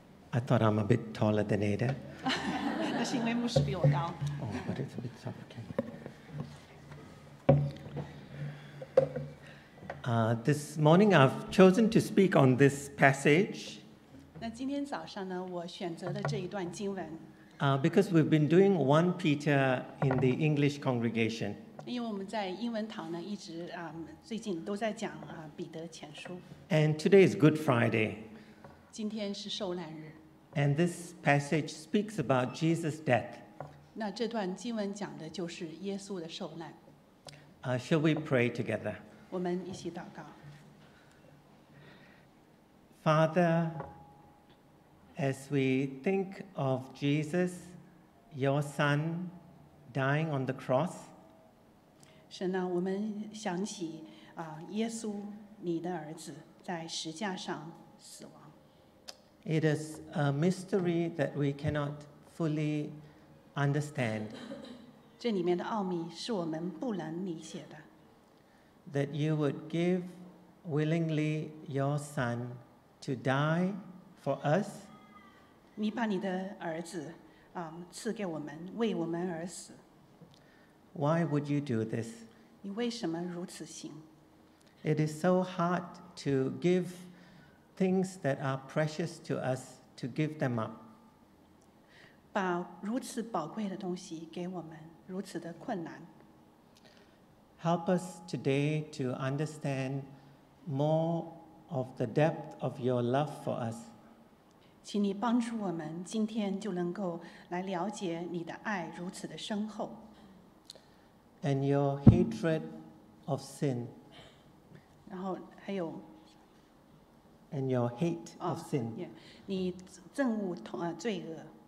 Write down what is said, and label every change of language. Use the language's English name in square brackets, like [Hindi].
[English] I thought I'm a bit taller than Ada. [Chinese] 那是因为牧师比我高。 [English] Oh, but it's a bit suffocating. This morning I've chosen to speak on this passage. [Chinese] 那今天早上呢，我选择了这一段经文。 [English] Because we've been doing 1 Peter in the English congregation. [Chinese] 因为我们在英文堂呢，一直最近都在讲彼得前书。 [English] And today is Good Friday. [Chinese] 今天是受难日。 [English] And this passage speaks about Jesus' death. [Chinese] 那这段经文讲的就是耶稣的受难。 [English] Shall we pray together? [Chinese] 我们一起祷告。 [English] Father, as we think of Jesus, your Son, dying on the cross. [Chinese] 神啊，我们想起耶稣，你的儿子在十架上死亡。 [English] It is a mystery that we cannot fully understand. [Chinese] 这里面的奥秘是我们不能理解的。 [English] That you would give willingly your son to die for us. [Chinese] 你把你的儿子赐给我们，为我们而死。 [English] Why would you do this? [Chinese] 你为什么如此行? [English] It is so hard to give things that are precious to us to give them up. [Chinese] 把如此宝贵的东西给我们，如此的困难。 [English] Help us today to understand more of the depth of your love for us. [Chinese] 请你帮助我们，今天就能够来了解你的爱如此的深厚。 [English] And your hatred of sin. [Chinese] 然后还有 [English] And your hate of sin. [Chinese] Yeah. 你憎恶罪恶。